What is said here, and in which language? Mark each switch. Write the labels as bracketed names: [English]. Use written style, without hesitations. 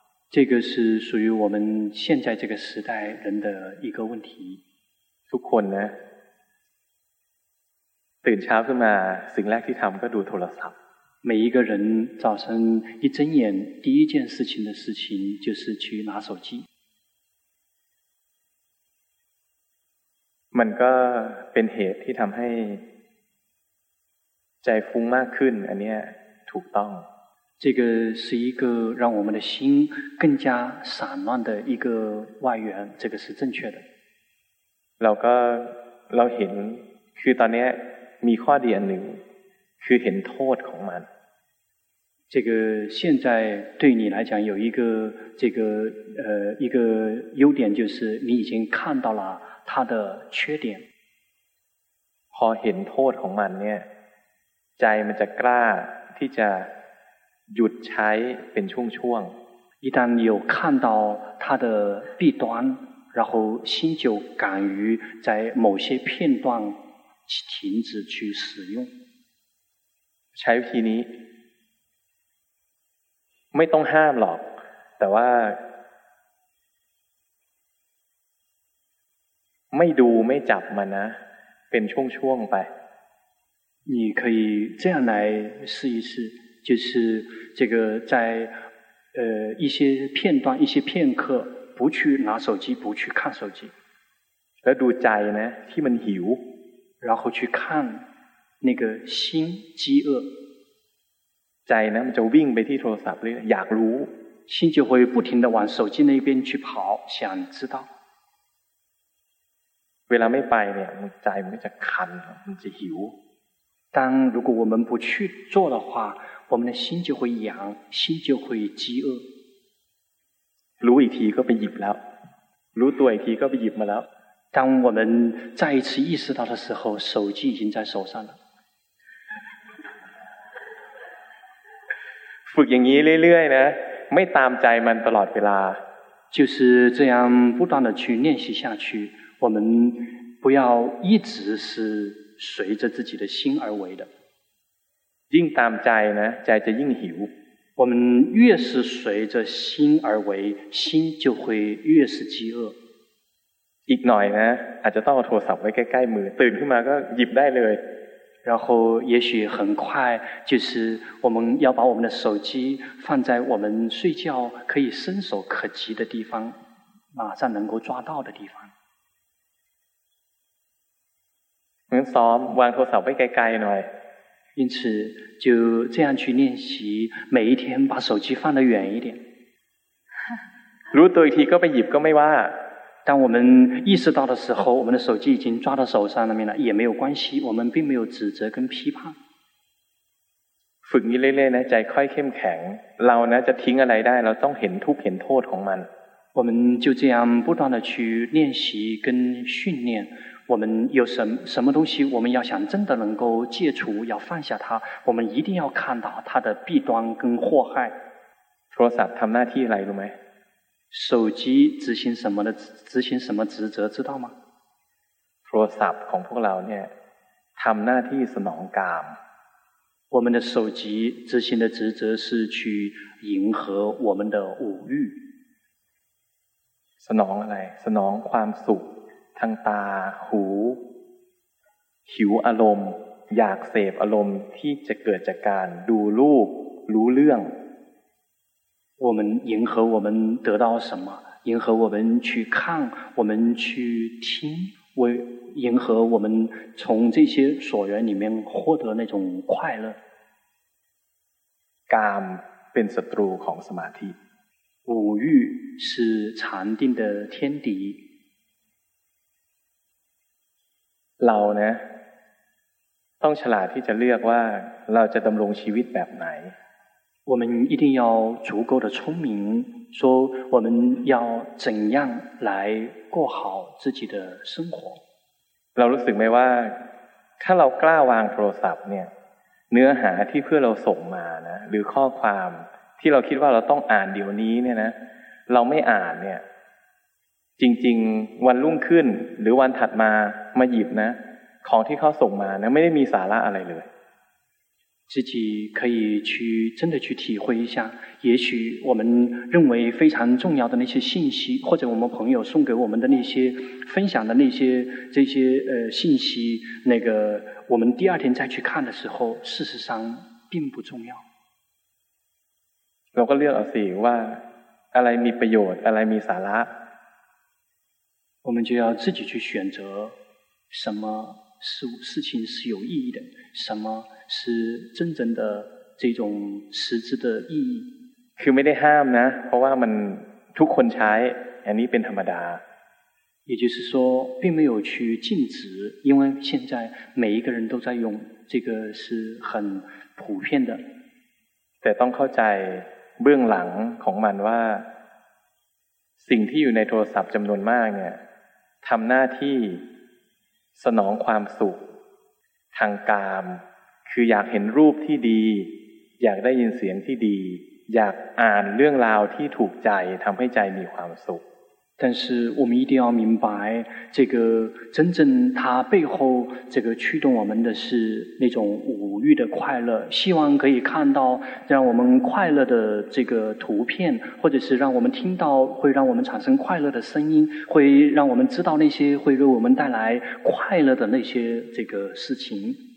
[Chinese] 这个是属于我们现在这个时代人的一个问题 [Thai] ทุกคนนะตื่นเช้าขึ้นมาสิ่งแรกที่ทำก็ดูโทรศัพท์ [Chinese] 每一个人早晨一睁眼第一件事情的事情就是去拿手机 [Thai] มันก็เป็นเหตุที่ทำให้ใจฟุ้งมากขึ้นอันนี้ถูกต้อง [Chinese] 这个是一个让我们的心更加散乱的一个外缘这个是正确的 [Thai] เราเห็นคือตอนนี้มีข้อดีอันหนึ่งคือเห็นโทษของมัน [Chinese] 这个现在对你来讲有一个这个一个优点就是你已经看到了它的缺点 [Thai] พอเห็นโทษของมันเนี่ยใจมันจะกล้าที่จะหยุดใช้เป็นช่วงช่วง [Chinese] 一旦有看到它的弊端然后心就敢于在某些片段停止去使用 [Thai] ใช้วิธีนี้ไม่ต้องห้ามหรอกแต่ว่า ไม่ดูไม่จับมันนะเป็นช่วงช่วงไป [Chinese] 你可以这样来试一试就是这个在一些片段一些片刻不去拿手机不去看手机 [Thai] แล้วดูใจนะที่มันหิว [Chinese] 然后去看那个心饥饿 [Thai] ใจนะมันจะวิ่งไปที่โทรศัพท์เลยอยากรู้ [Chinese] 心就会不停地往手机那边去跑想知道 [Thai] เวลาไม่ไปเนี่ยใจมันจะคันมันจะหิว [Chinese] 当如果我们不去做的话我们的心就会痒心就会饥饿 [Thai] รู้อีกทีก็ไปหยิบแล้วรู้ตัวอีกทีก็ไปหยิบมาแล้ว [Chinese] 当我们再一次意识到的时候手机已经在手上了 [Thai] ฝึกอย่างนี้เรื่อยๆนะไม่ตามใจมันตลอดเวลา [Chinese] 就是这样不断的去练习下去我们不要一直是随着自己的心而为的 [Thai] ยิ่งตามใจนะใจจะยิ่งหิว [Chinese] 我们越是随着心而为心就会越是饥饿 [Thai] อีกหน่อยนะอาจจะต้องเอาโทรศัพท์ไว้ใกล้ๆมือตื่นขึ้นมาก็หยิบได้เลย [Chinese] 然后也许很快就是我们要把我们的手机放在我们睡觉可以伸手可及的地方马上能够抓到的地方 [Thai] งั้นซ้อมวางโทรศัพท์ไว้ไกลๆหน่อย [Chinese] 因此就这样去练习每一天把手机放得远一点 [Thai] รู้ตัวอีกทีก็ไปหยิบก็ไม่ว่า [Chinese] 当我们意识到的时候我们的手机已经抓到手上了也没有关系我们并没有指责跟批判 [Thai] ฝึกเรื่อยๆนะใจค่อยเข้มแข็งเรานะจะทิ้งอะไรได้เราต้องเห็นทุกข์เห็นโทษของมัน [Chinese] 我们就这样不断的去练习跟训练我们有什么东西我们要想真的能够戒除要放下它我们一定要看到它的弊端跟祸害 [Thai] โทรศัพท์ทำหน้าที่อะไรรู้ไหม [Chinese] 手机执行什么的执行什么职责知道吗 [Thai] โทรศัพท์ของพวกเราเนี่ยทำหน้าที่สนองกาม [Chinese] 我们的手机执行的职责是去迎合我们的五欲 [Thai] สนองอะไรสนองความสุขทางตาหูหิวอารมณ์อยากเสพอารมณ์ที่จะเกิดจากการดูรูปรู้เรื่อง [Chinese] 我们迎合我们得到什么迎合我们去看我们去听迎合我们从这些所缘里面获得那种快乐 [Thai] กามเป็นศัตรูของสมาธิ [Chinese] 五欲是禅定的天敌 [Thai] เรานะต้องฉลาดที่จะเลือกว่าเราจะดำรงชีวิตแบบไหน [Chinese] 我们一定要足够的聪明说我们要怎样来过好自己的生活 [Thai] เรารู้สึกไหมว่าถ้าเรากล้าวางโทรศัพท์เนี่ยเนื้อหาที่เพื่อเราส่งมานะหรือข้อความที่เราคิดว่าเราต้องอ่านเดี๋ยวนี้เนี่ยนะเราไม่อ่านเนี่ยจริงๆวันรุ่งขึ้นหรือวันถัดมามาหยิบนะของที่เขาส่งมานะไม่ได้มีสาระอะไรเลย [Chinese] 自己可以去真的去体会一下也许我们认为非常重要的那些信息或者我们朋友送给我们的那些分享的那些这些信息那个我们第二天再去看的时候事实上并不重要 [Thai] เราก็เลือกเอาสิว่าอะไรมีประโยชน์อะไรมีสาระ [Chinese] 我们就要自己去选择什么事情是有意义的什么是真正的这种实质的意义 [Thai] คือไม่ได้ห้ามนะเพราะว่ามันทุกคนใช้อันนี้เป็นธรรมดา [Chinese] 也就是说并没有去禁止因为现在每一个人都在用这个是很普遍的 [Thai] แต่ต้องเข้าใจเบื้องหลังของมันว่าสิ่งที่อยู่ในโทรศัพท์จำนวนมากเนี่ยทำหน้าที่สนองความสุขทางกามคืออยากเห็นรูปที่ดีอยากได้ยินเสียงที่ดีอยากอ่านเรื่องราวที่ถูกใจทำให้ใจมีความสุข [Chinese] 但是我们一定要明白，这个真正它背后这个驱动我们的是那种五欲的快乐，希望可以看到让我们快乐的这个图片，或者是让我们听到会让我们产生快乐的声音，会让我们知道那些会为我们带来快乐的那些这个事情。